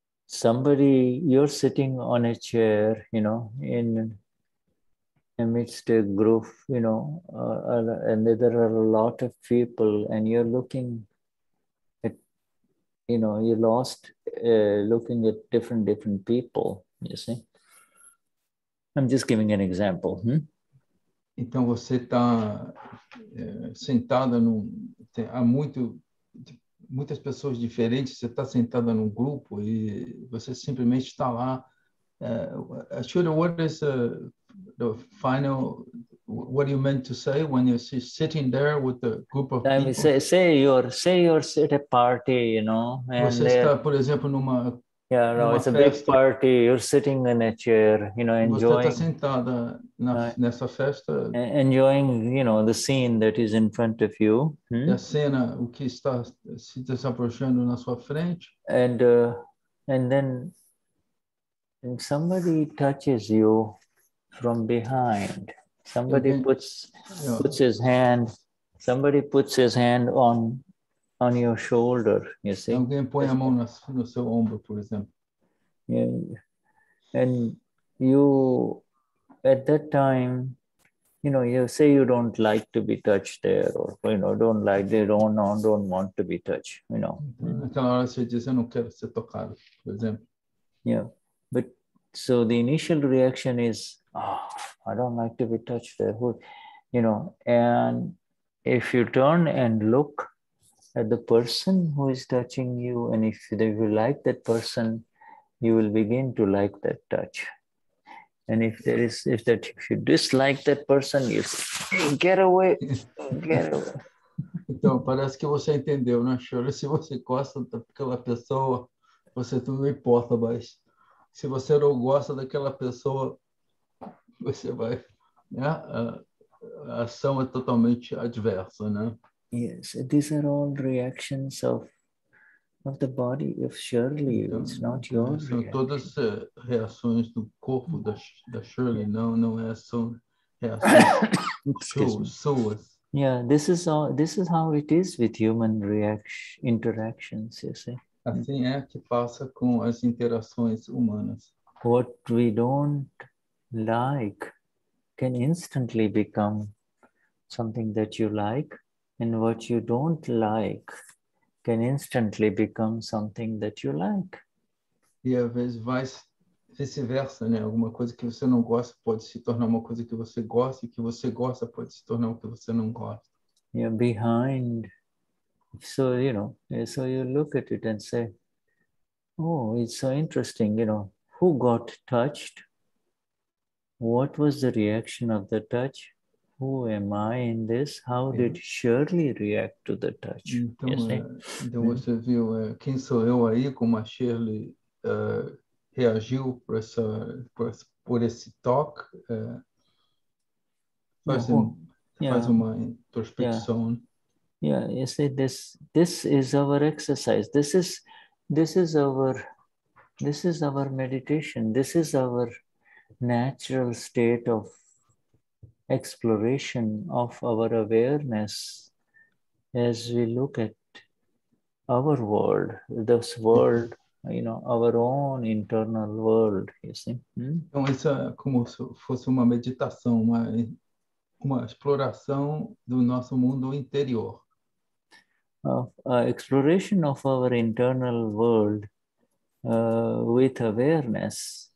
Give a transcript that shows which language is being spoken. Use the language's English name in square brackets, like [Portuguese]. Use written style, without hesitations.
[English] Somebody, you're sitting on a chair, you know, in amidst a group, you know, and there are a lot of people, and you're looking at, you know, you're lost looking at different people, you see. I'm just giving an example. [Portuguese] Então você está sentada num há muitas pessoas diferentes. Você está sentada num grupo e você simplesmente está lá. [English] Shuddha, what is the final? What you meant to say when you're sitting there with a group of people? Say you're at a party, you know. And [Portuguese] você está, por exemplo, numa [English] A big party. You're sitting in a chair, you know, enjoying. [Portuguese] Você está sentada nessa festa. [English] Enjoying, you know, the scene that is in front of you. [Portuguese] A cena, o que está se desabrochando na sua frente. [English] And then somebody touches you from behind. Somebody puts his hand. Somebody puts his hand on. On your shoulder, you see. [Portuguese] Alguém põe a mão no seu ombro, por exemplo. [English] Yeah. And you, at that time, you know, you say you don't like to be touched there, or, you know, don't like, they don't want to be touched, you know. [Portuguese] Naquela hora você diz, eu não quero ser tocado, por exemplo. [English] Yeah, but, so the initial reaction is, oh, I don't like to be touched there, you know, and if you turn and look at the person who is touching you, and if you like that person, you will begin to like that touch. And if you dislike that person, you say, hey, get away, get away. [Portuguese] Então, parece que você entendeu, né, Shura? Se você gosta daquela pessoa, você não importa mais. Se você não gosta daquela pessoa, você vai, né? A ação é totalmente adversa, né? [English] Yes, these are all reactions of the body of Shirley. It's not yours. [Portuguese] São todas reações do corpo da Shirley. Não é, são reações suas. [English] Yeah, this is all. This is how it is with human interactions. You see. [Portuguese] Assim é que passa com as interações humanas. [English] What we don't like can instantly become something that you like, and what you don't like can instantly become something that you like. [Portuguese] E às vezes vai vice-versa, né? Alguma coisa que você não gosta pode se tornar uma coisa que você gosta, e que você gosta pode se tornar o que você não gosta. [English] Yeah, behind. So, you know, so you look at it and say, oh, it's so interesting, you know, who got touched? What was the reaction of the touch? Who am I in this? How did Shirley react to the touch? [Portuguese] Então, então você viu, quem sou eu aí, como a Shirley reagiu por esse toque? Faz uma introspecção. [English] Yeah, you see, this is our exercise. This is our meditation. This is our natural state of exploration of our awareness as we look at our world, this world, you know, our own internal world, you see. [Portuguese] Então, isso é como se fosse uma meditação, uma exploração do nosso mundo interior. [English] Of exploration of our internal world with awareness.